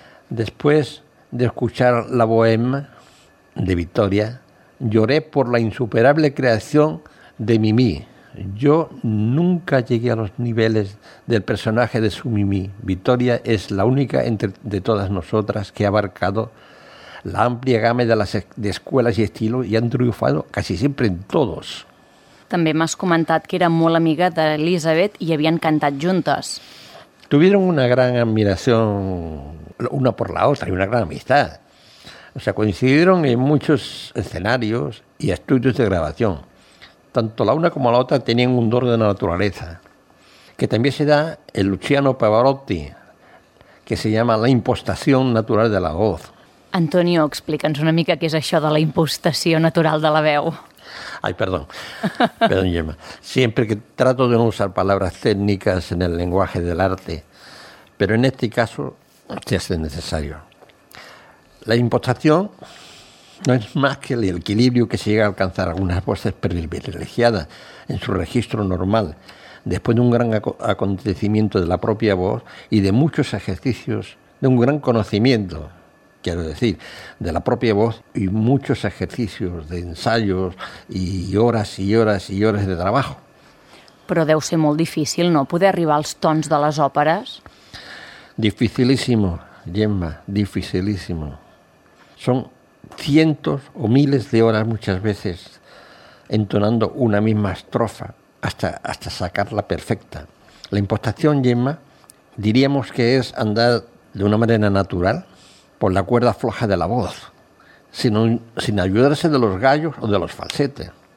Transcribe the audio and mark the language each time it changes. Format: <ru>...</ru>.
<es>Después de escuchar La Bohème de Victoria, lloré por la insuperable creación de Mimi. Yo nunca llegué a los niveles del personaje de su Mimi. Victoria es la única de todas nosotras que ha abarcado la amplia gama de las escuelas y estilos y han triunfado casi siempre en todos.</es> <ca>També m'has comentat que era molt amiga d'Elisabeth i havien cantat juntes.</ca> <es>Tuvieron una gran admiración una por la otra y una gran amistad. O sea, coincidieron en muchos escenarios y estudios de grabación. Tanto la una como la otra tenían un don de la naturaleza, que también se da en Luciano Pavarotti, que se llama la impostación natural de la voz.</es> <ca>Antonio, explica'ns una mica què és això de la impostació natural de la veu.</ca> <es>Ay, perdón. Perdón, Gemma. Siempre que trato de no usar palabras técnicas en el lenguaje del arte, pero en este caso se hace necesario. La impostación no es más que el equilibrio que se llega a alcanzar algunas voces privilegiadas en su registro normal, después de un gran acontecimiento de la propia voz y de muchos ejercicios, de un gran conocimiento, quiero decir, de la propia voz y muchos ejercicios de ensayos y horas y horas y horas de trabajo.</es> <ca>Però deu ser molt difícil, no?, poder arribar als tons de les òperes.</ca> <es>Dificilísimo, Gemma, dificilísimo. Son cientos o miles de horas muchas veces entonando una misma estrofa hasta sacarla perfecta. La impostación, Gemma, diríamos que es andar de una manera natural por la cuerda floja de la voz, sin ayudarse de los gallos o de los falsetes.</es>